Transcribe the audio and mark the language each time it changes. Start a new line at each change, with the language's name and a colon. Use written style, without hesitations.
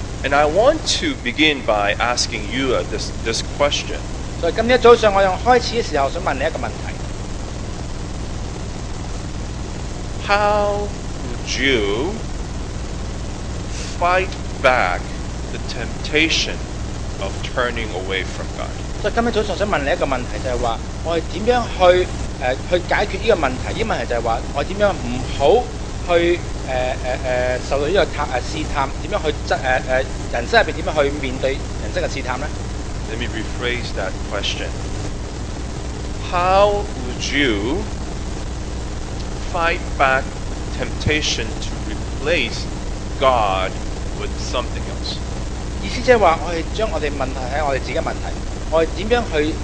English: And I want to begin by asking you this question.
Cantonese: 所以今天早上我用開始嘅時候想問你一個問題。
English: How would you fight back the temptation of turning away from God?
Cantonese: 今日早上想問你一個問題，就係話我係點樣去解決呢個問題？呢個問題就係話我點樣唔好去受到呢個試探，點樣去人生入邊點樣去面對人生嘅試探咧？
English: Let me rephrase that question. How would you fight back temptation to replace God with something else?
Cantonese: 意思即係話，我係將我哋問題喺我哋自己嘅問題。